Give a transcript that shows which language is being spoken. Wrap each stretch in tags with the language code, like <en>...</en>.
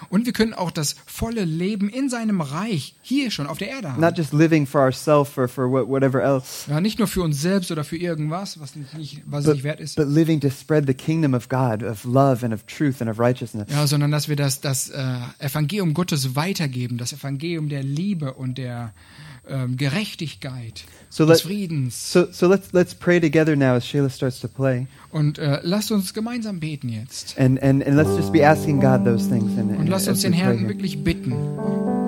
<de>Und wir können auch das volle Leben in seinem Reich hier schon auf der Erde haben.</de> <en>Not just living for ourselves or for whatever else.</en> <de>Ja, nicht nur für uns selbst oder für irgendwas, was nicht wert ist.</de> <en>But living to spread the kingdom of God, of love and of truth and of righteousness.</en> <de>Ja, sondern dass wir das Evangelium Gottes weitergeben, das Evangelium der Liebe und der Gerechtigkeit, des Friedens.</de> <en>So let's pray together now as Shayla starts to play.</en> <de>Und lasst uns gemeinsam beten jetzt.</de> <en>And let's just be asking God those things.</en> <de>Und lasst uns den Herrn wirklich bitten. Oh.</de>